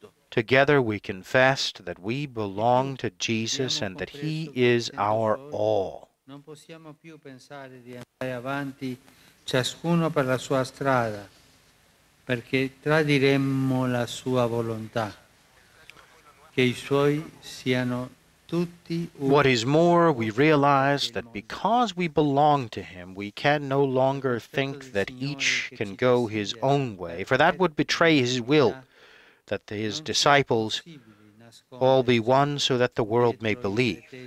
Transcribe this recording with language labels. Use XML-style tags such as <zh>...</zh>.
<en>Together we confessed that we belong to Jesus and that he is our all.</en> <it>Non possiamo più pensare di andare avanti ciascuno per la sua strada, perché tradiremmo la sua volontà. Che i suoi siano</it> <en>What is more, we realize that because we belong to Him, we can no longer think that each can go his own way, for that would betray His will, that His disciples all be one so that the world may believe.</en>